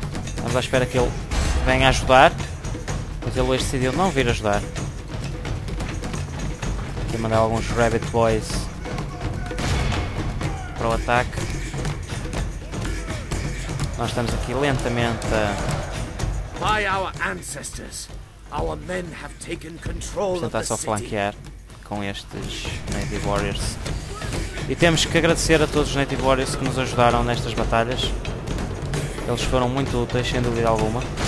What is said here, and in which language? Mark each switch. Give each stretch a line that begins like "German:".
Portuguese: Estamos à espera que ele venha ajudar. Mas ele hoje decidiu não vir ajudar. Aqui mandar alguns Rabbit Boys para o ataque. Nós estamos aqui lentamente a...
English: By our ancestors, our men have taken control of the city.
Portuguese: Tentar só flanquear com estes Native Warriors. E temos que agradecer a todos os Native Warriors que nos ajudaram nestas batalhas. Eles foram muito úteis, sem dúvida alguma.